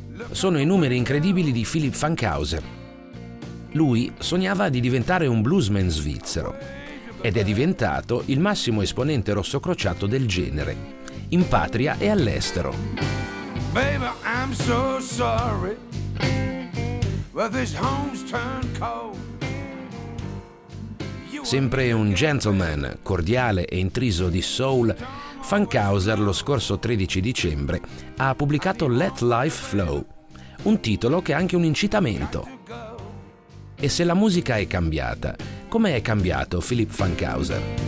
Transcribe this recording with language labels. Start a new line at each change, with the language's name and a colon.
Italian: Sono i numeri incredibili di Philipp Funkhauser. Lui sognava di diventare un bluesman svizzero ed è diventato il massimo esponente rossocrociato del genere, in patria e all'estero.
English: Baby, I'm so sorry. Well, this home's turned cold.
Italian: Sempre un gentleman, cordiale e intriso di soul, Funkhauser lo scorso 13 dicembre ha pubblicato Let Life Flow, un titolo che è anche un incitamento. E se la musica è cambiata, come è cambiato Philipp Funkhauser?